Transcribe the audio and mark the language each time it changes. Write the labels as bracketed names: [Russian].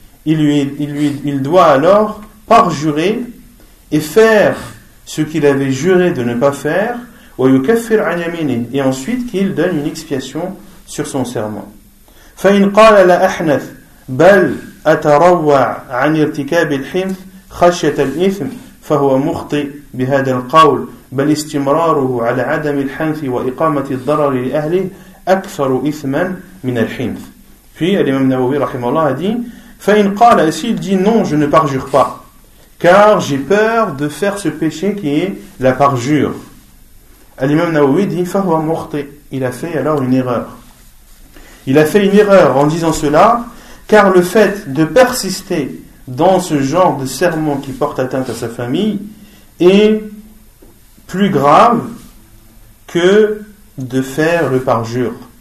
[French] Il doit alors parjurer et faire ce qu'il avait juré de ne pas faire, [Arabic] wa yukaffir an yamine, [French] et ensuite qu'il donne une expiation sur son serment. [Arabic] فإن قال لا أحنث بل أتروع عن ارتكاب الحنث خشية الإثم فهو مخطئ بهذا القول بل استمراره على عدم الحنث وإقامة الضرر لأهله أكثر إثما من الحنث. في الإمام النووي رحمه الله دين فإن قال [French] s'il dit non je ne parjure pas car j'ai peur de faire ce péché qui est la parjure. [Arabic] الإمام النووي دين فهو مخطئ [French] il a fait alors une erreur. Il a fait une erreur en disant cela, car le fait de persister dans ce genre de serment qui porte atteinte à sa famille est plus grave que de faire le parjure.